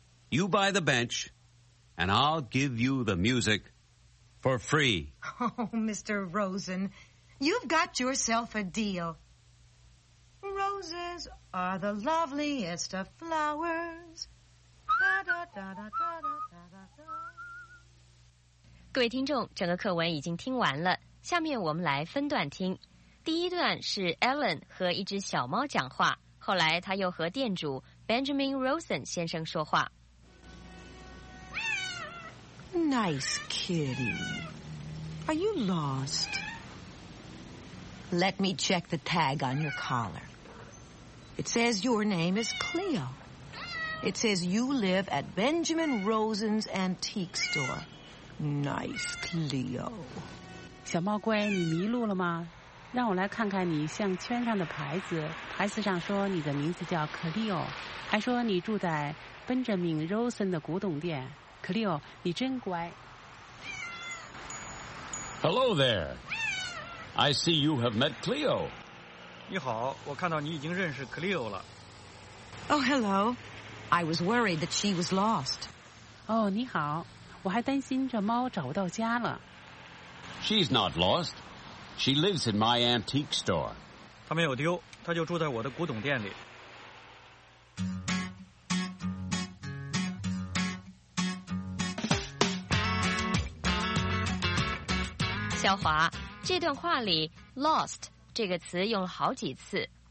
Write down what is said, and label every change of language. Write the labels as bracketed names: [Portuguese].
[English] You buy the bench, and I'll give you the music for free. Oh, Mr. Rosen, you've got yourself a deal. Roses are the loveliest of flowers. Da, da, da, da, da, da, da, da. [Chinese] 各位听众，整个课文已经听完了，下面我们来分段听。第一段是 Ellen 和一只小猫讲话，后来他又和店主 Benjamin Rosen 先生说话。 [English] Nice kitty. Are you lost? Let me check the tag on your collar. It says your name is Cleo. It says you live at Benjamin Rosen's antique store. Nice, Cleo. [Chinese] 小猫乖，你迷路了吗？让我来看看你项圈上的牌子，牌子上说你的名字叫 Cleo， 还说你住在 Benjamin Rosen 的古董店。 Cleo， 你真乖。 [English] Hello there. I see you have met Cleo. [Chinese] 你好，我看到你已经认识 Cleo 了。 [English] Oh, hello. I was worried that she was lost. [Chinese] 哦，你好，我还担心这猫找不到家了。 [English] She's not lost. She lives in my antique store. [Chinese] 她没有丢，她就住在我的古董店里。小华，这段话里 lost 这个词用了好几次。